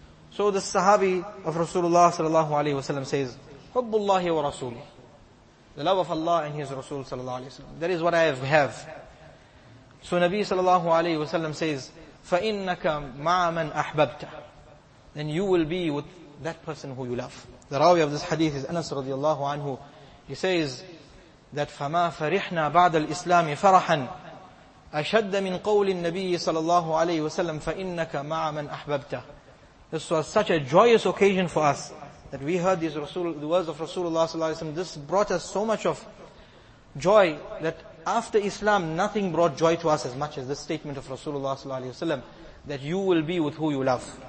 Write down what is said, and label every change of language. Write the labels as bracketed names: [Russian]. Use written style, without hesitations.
[English] So the sahabi of Rasulullah sallallahu alayhi wa sallam says, [Arabic] حُبُّ اللَّهِ وَرَسُولُهُ, [English] the love of Allah and His Rasul sallallahu alayhi wa sallam. That is what I have. So Nabi sallallahu alayhi wa sallam says, [Arabic] فَإِنَّكَ مَعَ مَنْ أَحْبَبْتَ, [English] then you will be with that person who you love. The rawi of this hadith is Anas radiallahu anhu. He says that [Arabic] فَمَا فَرِحْنَا بَعْدَ الْإِسْلَامِ فَرَحًا أَشَدَّ مِنْ قَوْلِ النَّبِيِّ sallallahu alayhi wa sallam فَإِنَّكَ مَعَ مَنْ أَحْبَبْتَ. [English] This was such a joyous occasion for us that we heard these the words of Rasulullah sallallahu alaihi wasallam. This brought us so much of joy that after Islam, nothing brought joy to us as much as the statement of Rasulullah sallallahu alaihi wasallam that you will be with who you love.